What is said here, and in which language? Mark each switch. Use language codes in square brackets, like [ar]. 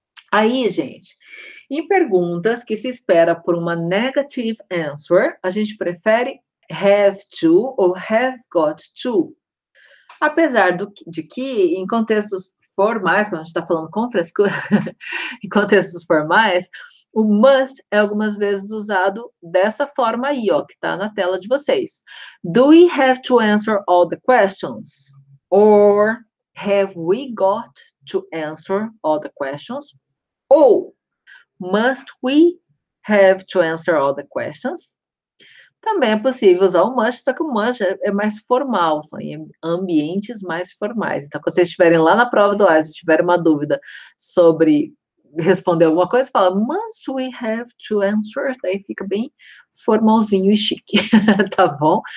[pt] Aí, gente, em perguntas que se espera por uma [en] negative answer, [pt] a gente prefere have to ou have got to. Apesar de que, em contextos formais, quando a gente está falando com frescura, em contextos formais, o must é algumas vezes usado dessa forma aí, ó, que está na tela de vocês. [en] Do we have to answer all the questions? Or have we got to answer all the questions? [pt] Ou [en] must we have to answer all the questions? [pt] Também é possível usar o must, só que o must é mais formal, são em ambientes mais formais. Então, quando vocês estiverem lá na prova do ESA, tiver uma dúvida sobre responder alguma coisa, fala [en] must we have to answer? [pt] Daí fica bem formalzinho e chique, tá bom?